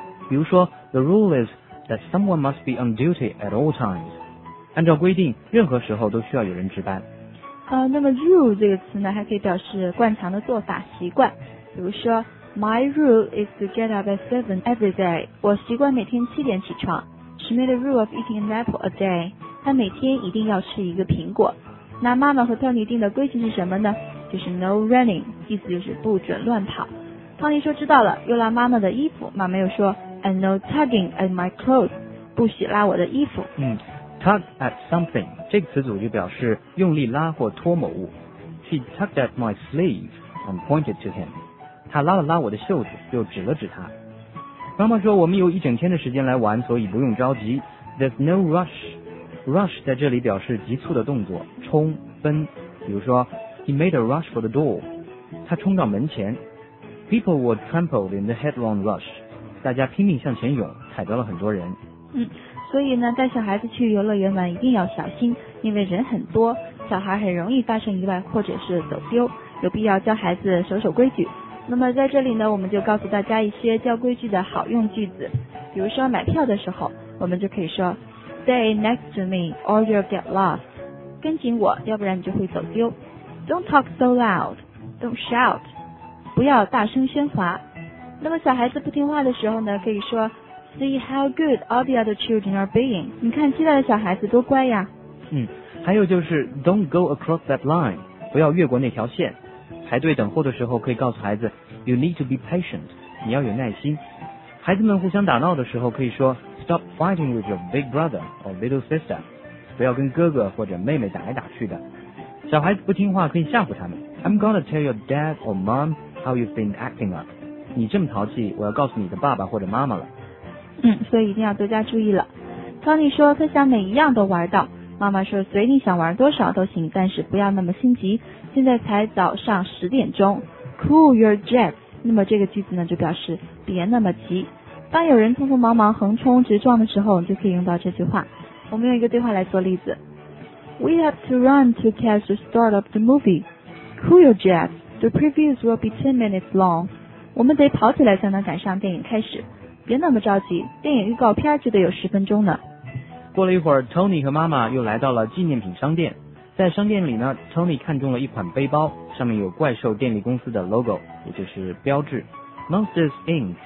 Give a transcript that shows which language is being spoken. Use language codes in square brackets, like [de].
[zh] 比如说 [en] ，The rule is that someone must be on duty at all times. [zh] 按照规定，任何时候都需要有人值班。那么 rule 这个词呢，还可以表示惯常的做法、习惯。比如说 [en] ，My rule is to get up at 7 every day. [zh] 我习惯每天7点起床。 [en] She made a rule of eating an apple a day. [zh] 她每天一定要吃一个苹果。那妈妈和 Tony 定的规矩是什么呢？就是 [en] no running， [zh] 意思就是不准乱跑。 Tony 说知道了，又拉妈妈的衣服。妈妈又说 ， [en] And no tugging at my clothes， [zh] 不许拉我的衣服。 Tug at something 这个词组就表示用力拉或拖某物。 [en] She tugged at my sleeve and pointed to him. [zh] 她拉了拉我的袖子，就指了指他。妈妈说我们有一整天的时间来玩，所以不用着急。 [en] There's no rush. [zh] Rush 在这里表示急促的动作，冲、奔。比如说 [en] ，He made a rush for the door. [zh] 他冲到门前。 [en] People were trampled in the headlong rush. [zh] 大家拼命向前涌，踩到了很多人。所以呢，带小孩子去游乐园玩一定要小心，因为人很多，小孩很容易发生意外或者是走丢，有必要教孩子守守规矩。那么在这里呢，我们就告诉大家一些教规矩的好用句子。比如说买票的时候，我们就可以说 [en] Stay next to me or you'll get lost， [zh] 跟紧我，要不然你就会走丢。 [en] Don't talk so loud， Don't shout， [zh] 不要大声喧哗。那么小孩子不听话的时候呢，可以说 [en] See how good all the other children are being. [zh] 你看接下来的小孩子多乖呀。还有就是 [en] don't go across that line. [zh] 不要越过那条线。排队等货的时候可以告诉孩子 [en] you need to be patient. [zh] 你要有耐心。孩子们互相打闹的时候可以说 [en] stop fighting with your big brother or little sister. [zh] 不要跟哥哥或者妹妹打来打去的。小孩子不听话可以吓唬他们。 [en] I'm gonna tell your dad or mom how you've been acting up. [zh] 你这么淘气，我要告诉你的爸爸或者妈妈了。所以一定要多加注意了。 Tony 说他想每一样都玩到，妈妈说随你想玩多少都行，但是不要那么心急，现在才早上10点钟。 [en] Cool your jets， [zh] 那么这个句子呢就表示别那么急。当有人匆匆忙忙横冲直撞的时候，就可以用到这句话。我们用一个对话来做例子。 [en] We have to run to catch the start of the movie. Cool your jets. The previews will be 10 minutes long. [zh] 我们得跑起来才能赶上电影开始。别那么着急，电影预告片就得有10分钟呢。过了一会儿， Tony 和妈妈又来到了纪念品商店。在商店里呢， Tony 看中了一款背包，上面有怪兽电力公司的 logo， 也就是标志。Monsters Inc.